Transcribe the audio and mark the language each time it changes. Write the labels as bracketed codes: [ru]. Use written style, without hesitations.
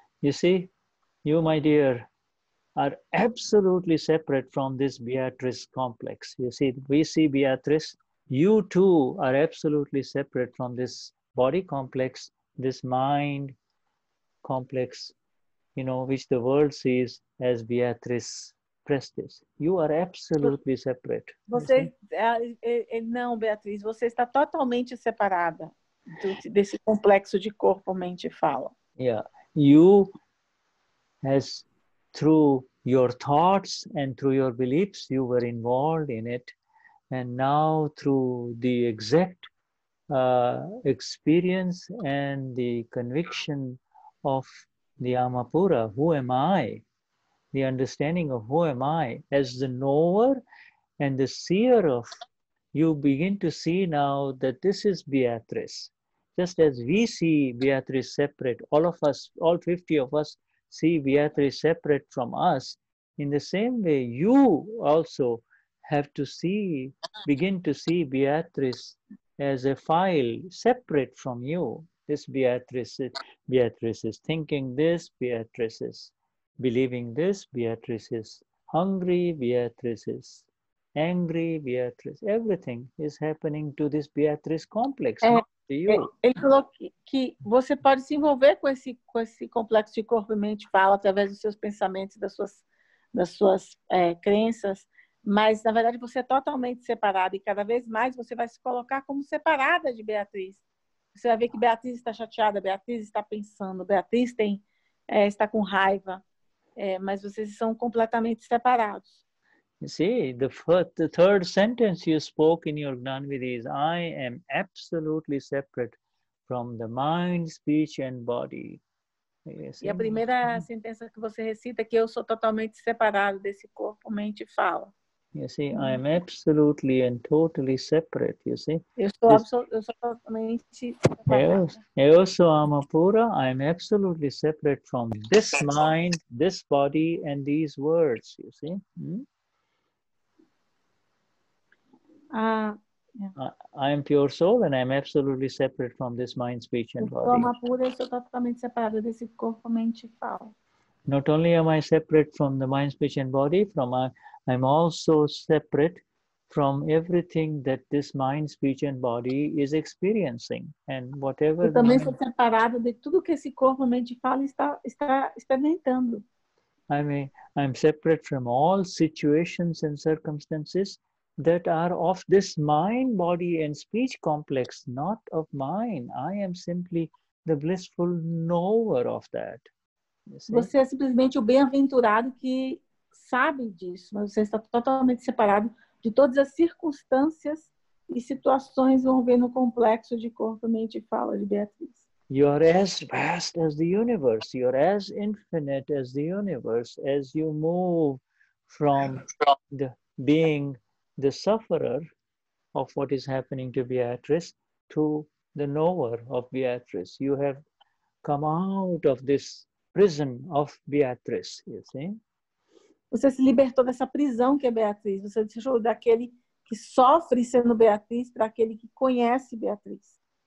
[en] You see, you, my dear, are absolutely separate from this Beatrice complex. You see, we see Beatrice, you too are absolutely separate from this body complex, this mind complex, you know, which the world sees as Beatrice Prestes. You are absolutely separate. [pt] Não, Beatriz, você está totalmente separada desse complexo de corpo, mente e fala. [en] Yeah. You as through your thoughts and through your beliefs, you were involved in it. And now through the exact experience and the conviction of the Amapura, who am I? The understanding of who am I as the knower and the seer of, you begin to see now that this is Beatrice. Just as we see Beatrice separate, all of us, all 50 of us, see Beatrice separate from us, in the same way, you also have to begin to see Beatrice as a file separate from you. This Beatrice is thinking this, Beatrice is believing this, Beatrice is hungry, Beatrice is angry, Beatrice, everything is happening to this Beatrice complex. [pt] Ele falou que você pode se envolver com esse complexo de corpo e mente, fala através dos seus pensamentos, das suas crenças, mas na verdade você é totalmente separado e cada vez mais você vai se colocar como separada de Beatriz. Você vai ver que Beatriz está chateada, Beatriz está pensando, Beatriz tem está com raiva, mas vocês são completamente separados. [en] You see, the third sentence you spoke in your Gnanavidhi is I am absolutely separate from the mind, speech and body. [pt] E a primeira sentença que você recita é que eu sou totalmente separado desse corpo, mente e fala. [en] You see, I am absolutely and totally separate, you see. [pt] Eu sou totalmente separado. Eu sou alma pura, [en] I am absolutely separate from this mind, this body and these words, you see. I am pure soul and I am absolutely separate from this mind, speech and body. [pt] Eu sou alma pura, eu sou totalmente separado desse corpo, mente e fala. [en] Not only am I separate from the mind, speech and body, I'm also separate from everything that this mind, speech and body is experiencing. And whatever [pt] eu também sou separado de tudo que esse corpo, mente e fala está experimentando. [en] I'm separate from all situations and circumstances that are of this mind, body and speech complex, not of mine. I am simply the blissful knower of that. [pt] Você é simplesmente o bem-aventurado que sabe disso, mas você está totalmente separado de todas as circunstâncias e situações envolvendo o complexo de corpo, mente e fala de Beatriz. [en] You are as vast as the universe, you are as infinite as the universe, as you move from the being the sufferer of what is happening to Beatriz to the knower of Beatriz. You have come out of this prison of Beatriz, you see? [pt] Você se libertou dessa prisão que é Beatriz. Você se deixou daquele que sofre sendo Beatriz para aquele que conhece Beatriz.